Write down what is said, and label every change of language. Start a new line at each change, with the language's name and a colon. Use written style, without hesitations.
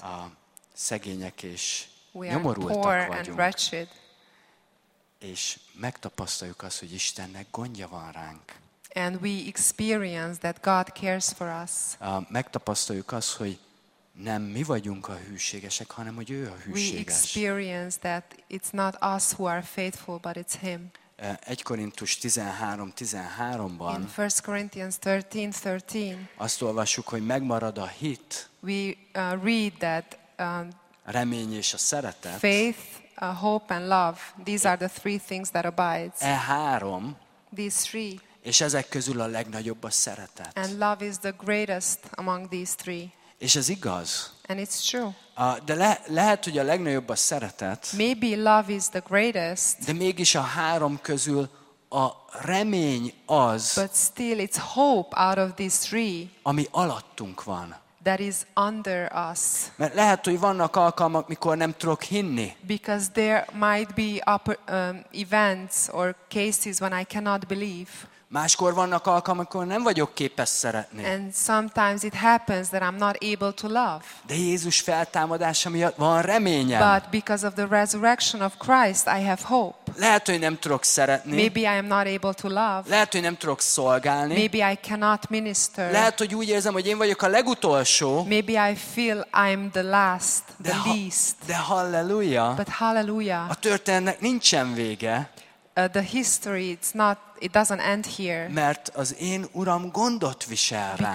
Hungarian: A szegények és nyomorultak vagyunk.
English: And wretched.
Hungarian: És megtapasztaljuk azt, hogy Istennek gondja van ránk.
English: And we experience that God cares for us.
Hungarian: Megtapasztaljuk azt, hogy nem mi vagyunk a hűségesek, hanem hogy ő a hűséges.
English: We experience that it's not us who are faithful, but it's him.
Hungarian: 1 Korintus 13:13-ban.
English: In 1 Corinthians 13:13.
Hungarian: Azt olvassuk, hogy megmarad a hit.
English: We read that
Hungarian: remény és a szeretet.
English: Faith, hope and love. These are the three things that abide.
Hungarian: E három.
English: These three.
Hungarian: És ezek közül a legnagyobb a szeretet.
English: And love is the greatest among these three.
Hungarian: És ez igaz.
English: And it's true.
Hungarian: De lehet, hogy a legnagyobb a szeretet.
English: Maybe love is the greatest.
Hungarian: De mégis a három közül a remény az.
English: But still it's hope out of these three.
Hungarian: Ami alattunk van.
English: That is under us.
Hungarian: Mert lehet, hogy vannak alkalmak, mikor nem tudok hinni.
English: Because there might be events or cases when I cannot believe.
Hungarian: Máskor vannak alkalmak, amikor nem vagyok képes szeretni.
English: And sometimes it happens that I'm not able to love.
Hungarian: De Jézus feltámadása miatt van reményem.
English: But because of the resurrection of Christ, I have hope.
Hungarian: Lehet, hogy nem tudok szeretni.
English: Maybe I am not able to love.
Hungarian: Lehet, hogy nem tudok szolgálni.
English: Maybe I cannot minister.
Hungarian: Lehet, hogy úgy érzem, hogy én vagyok a legutolsó.
English: Maybe I feel I'm the last, the least.
Hungarian: De halleluja.
English: But hallelujah.
Hungarian: A történetnek nincsen vége.
English: The history it doesn't end here.
Hungarian: Mert az én Uram gondot visel rám.